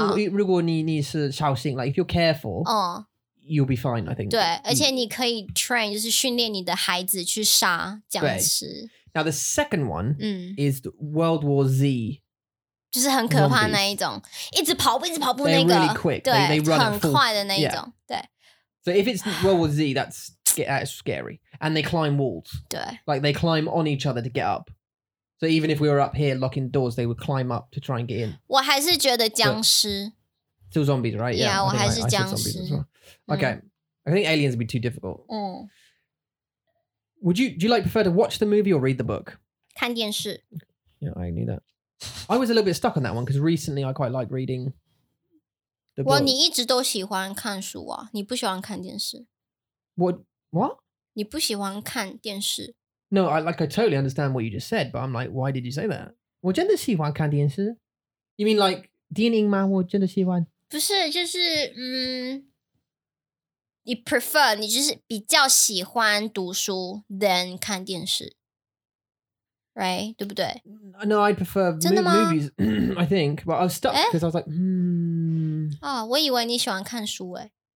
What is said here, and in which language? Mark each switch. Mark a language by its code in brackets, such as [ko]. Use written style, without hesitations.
[zh] 如果你是小心, [en] like if you're careful, you'll be fine, I think. [zh] 对，而且你可以 train, 就是训练你的孩子去杀僵尸。 [en] Now the second one is World War Z. [zh] 就是很可怕那一种, 一直跑步, [en] they're really quick. [zh] 对, [en] they run at [zh] 很快的那一种, yeah. 对。 [en] So if it's World War Z, that's scary. And they climb walls. Like they climb on each other to get up. So even if we were up here locking doors, they would climb up to try and get in. [zh] 我还是觉得僵尸. [en] Still zombies, right? [zh] Yeah, 我还是僵尸. [en] Okay. I think aliens would be too difficult. Would you, prefer to watch the movie or read the book? [zh] 看电视. [en] Yeah, I knew that. I was a little bit stuck on that one because recently I quite like reading. [zh] Well, 你一直都喜欢看书啊，你不喜欢看电视。 [en] What? [zh] 你不喜欢看电视。 [en] No, I totally understand what you just said, but I'm like, why did you say that? [zh] 我真的喜欢看电视。 [en] You mean like, [zh] 电影吗?我真的喜欢。不是,就是, 你 prefer, 你就是比较喜欢读书 than 看电视。Right? 对不对? [en] No, I prefer movies, I think, but I was stuck because I was like, [zh] Oh, 我以为你喜欢看书诶。